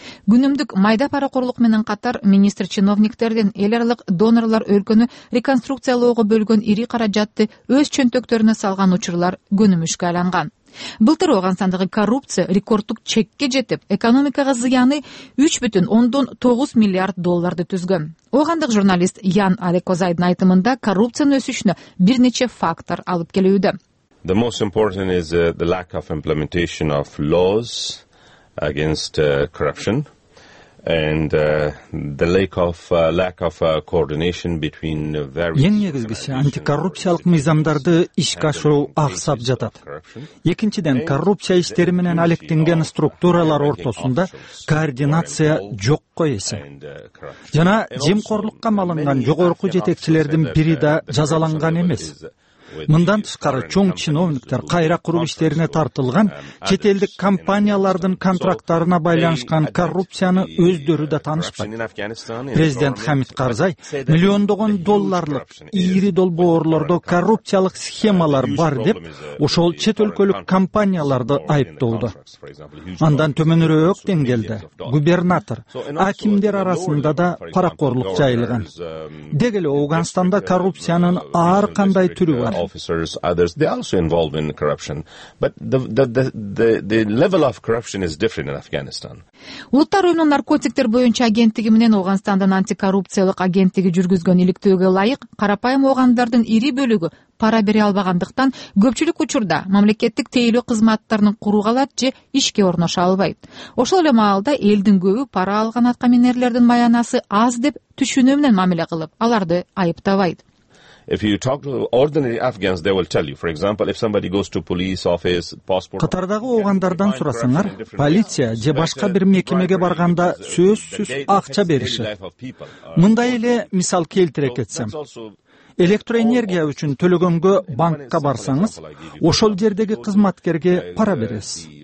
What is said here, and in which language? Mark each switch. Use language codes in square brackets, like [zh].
[ky] Күнүмдүк майда паракорлук менен катар министр чиновниктерден эл аралык донорлор өлкөнү реконструкциялоого бөлгөн ири каражатты өз чөнтөктөрүнө салган учурлар көнүмүшкө айланган. Былтыр Оогансандагы коррупция рекордтук чекке жетип, экономикага зыяны 3.9 миллиард долларды түзгөн. Оогандык журналист Ян Алекозайдын айтымында коррупциянын өсүшүнө бир нече фактор алып келүүдө. [en] The most important is the lack of implementation of laws against corruption and the lack of coordination between various. [ky] Эң негизгиси антикоррупциялык мыйзамдарды ишке ашыруу аксап жатат. Экинчиден, коррупция иштери менен алектенген структуралар ортосунда координация жокко эсеп. Жана жемкорлукка малынган жогорку жетекчилердин бири да жазаланган эмес. Мындан тышкары чоң чиновниктер кайра куруу иштерине тартылган чет элдик компаниялардын контракттарына байланышкан коррупцияны өздөрү да таанышпайт. Президент Хамид Карзай миллиондогон долларлык ири долбоорлордо коррупциялык схемалар бар деп ошол чет өлкөлүк компанияларды айыптоодо. Андан төмөнүрөөк деңгээлде губернатор, акимдер арасында да паракорлук жайылган. Деги эле Ооганстанда коррупциянын ар кандай түрү бар. [en] officers, others, they also involved in corruption. But the level of corruption is different in Afghanistan. [ky] Улуттар Уюмунун наркотиктер боюнча агенттиги менен Ооганстандын антикоррупциялык агенттиги жүргүзгөн иликтөөгө ылайык, карапайым оогандардын ири бөлүгү пара бере албагандыктан көпчүлүк учурда мамлекеттик тейлөө кызматтарын куруп алат же ишке орношо албайт. Ошол эле маалда элдин көбү пара алган аткаминерлердин маянасы аз деп түшүнүү менен мамиле кылып, аларды айыптабайт. [en] If you talk to ordinary Afghans, they will tell you. For example, if somebody goes to police office, passport... [ky] Катардагы оогандардан сурасаңар, полиция же башка бир мекемеге барганда сөзсүз акча бериши. Мындай эле мисал келтире кетсем. Электроэнергия үчүн төлөгөнгө банкка барсаңыз, ошол жердеги кызматкерге пара бересиз.